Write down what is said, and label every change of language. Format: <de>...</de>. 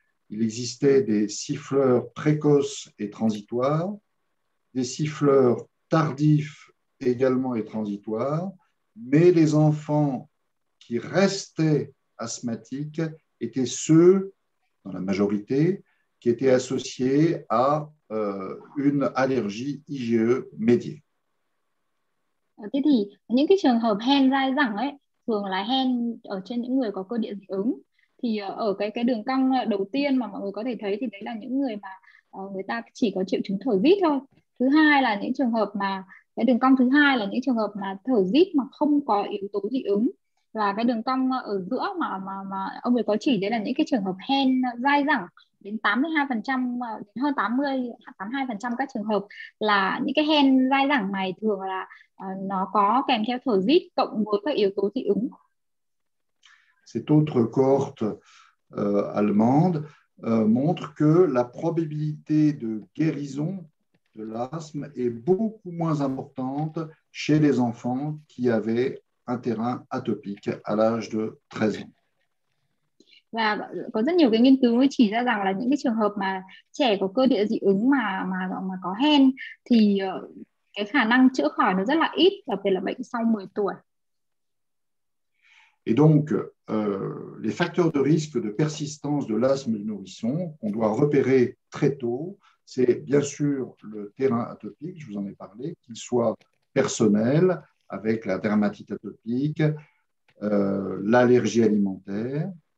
<fr>Il existait des siffleurs précoces et transitoires, des siffleurs tardifs également et transitoires, mais les enfants qui restaient asthmatiques étaient ceux, dans la majorité, qui étaient associés à une allergie IgE médiée.</fr> <vi>Thế thì những cái trường hợp hen dai dẳng ấy, thường là hen ở trên những người có cơ địa dị ứng. Thì ở cái đường cong đầu tiên mà mọi người có thể thấy thì đấy là những người mà người ta chỉ có triệu chứng thở rít thôi. Thứ hai là những trường hợp mà cái đường cong thứ hai là những trường hợp mà thở rít mà không có yếu tố dị ứng. Và cái đường cong ở giữa mà ông ấy có chỉ đấy là những cái trường hợp hen dai dẳng, đến 82%, đến hơn 82% các trường hợp là những cái hen dai dẳng này thường là nó có kèm theo thở rít cộng với các yếu tố dị ứng.</vi> <fr>Cette autre cohorte allemande montre que la probabilité de guérison de l'asthme est beaucoup moins importante chez les enfants qui avaient un terrain atopique à l'âge de 13 ans.</fr> <vi>Và có rất nhiều cái nghiên cứu mới chỉ ra rằng là những cái trường hợp mà trẻ có cơ địa dị ứng mà có hen thì cái khả năng chữa khỏi nó rất là ít, đặc biệt là bệnh sau 10 tuổi.</vi> <fr>Et donc, les facteurs de risque de persistance de l'asthme du nourrisson qu'on doit repérer très tôt, c'est bien sûr le terrain atopique, je vous en ai parlé, qu'il soit personnel avec la dermatite atopique, l'allergie alimentaire.</fr>